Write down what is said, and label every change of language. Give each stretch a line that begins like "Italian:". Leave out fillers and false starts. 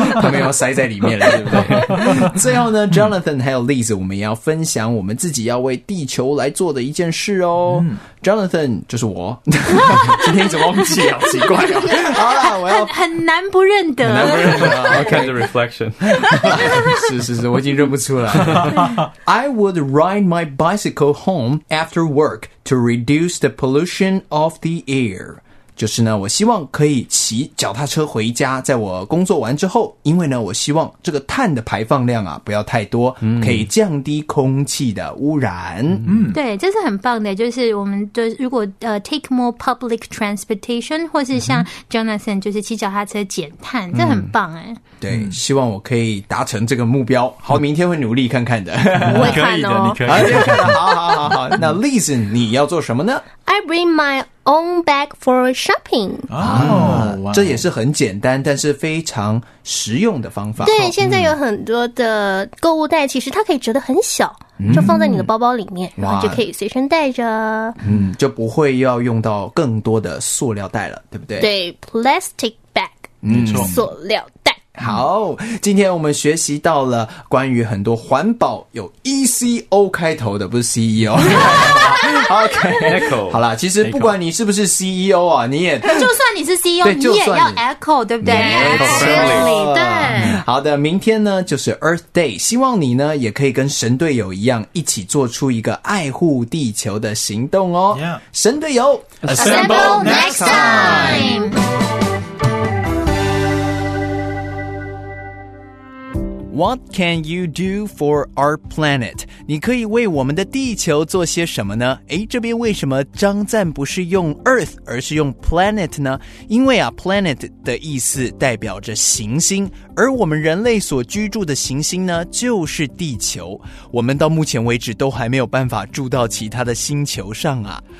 Chinese: 他们要塞在里面了，对不对？最后呢 ，Jonathan 还有 Liz， 我们也要分享我们自己要为地球来做的一件事哦。 Jonathan 就是我，今天怎么忘记了？奇怪啊！好啦，我要很难不认得，很难不认得。
English: I'll catch the reflection，
Chinese: 是是是，我已经认不出来。
English: I would ride my bicycle home after work to reduce the pollution of the air。
Chinese: 就是呢，我希望可以骑脚踏车回家，在我工作完之后，因为呢，我希望这个碳的排放量啊不要太多，可以降低空气的污染。对，这是很棒的，就是我们就如果
English: take more public transportation，
Chinese: 或是像 Jonathan 就是骑脚踏车减碳，这很棒哎。对，希望我可以达成这个目标。好，明天会努力看看的。我可以的，你可以的。好好好好，那 Liz 你要做什么呢？
English: I bring my own bag for shopping.
Chinese: 这也是很简单但是非常实用的方法。对，现在有很多的购物袋，其实它可以折得很小，就放在你的包包里面，然后就可以随身带着。就不会要用到更多的塑料袋了，对不对？对，
English: plastic bag，
Chinese: 塑料袋。好，今天我们学习到了关于很多环保有 ECO 开头的，不是 CEO。 OK， 好啦，其实不管你是不是 CEO 啊，你也就算你是 CEO， 你也要 echo， 对不对？没错，对。好的，明天呢就是 Earth Day， 希望你呢也可以跟神队友一样，一起做出一个爱护地球的行动哦。神队友
English: ，Assemble next time。 What can you do for our planet?
Chinese: 你可以为我们的地球做些什么呢？诶，这边为什么张赞不是用 Earth 而是用 planet 呢？因为啊 ，planet 的意思代表着行星，而我们人类所居住的行星呢，就是地球。我们到目前为止都还没有办法住到其他的星球上啊。